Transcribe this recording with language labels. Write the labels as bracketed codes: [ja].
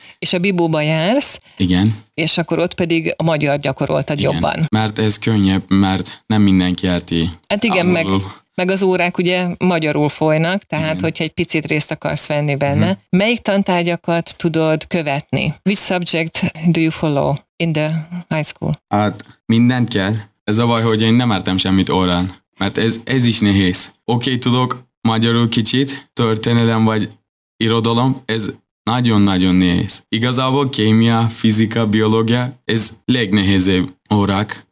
[hu] És a Bibóba jársz. Igen. És akkor ott pedig a magyar gyakoroltad, igen, jobban. Mert ez könnyebb, mert nem mindenki érti. Hát igen, meg az órák ugye magyarul folynak, tehát igen, hogyha egy picit részt akarsz venni benne. Mm. Melyik tantárgyakat tudod követni? [en] Which subject do you follow in the high school? [hu] Hát mindent kell. Ez a baj, hogy én nem értem semmit órán, mert ez is nehéz. Oké, tudok magyarul kicsit, történelem vagy irodalom, ez nagyon-nagyon nehéz. Igazából kémia, fizika, biológia, ez legnehezebb órák.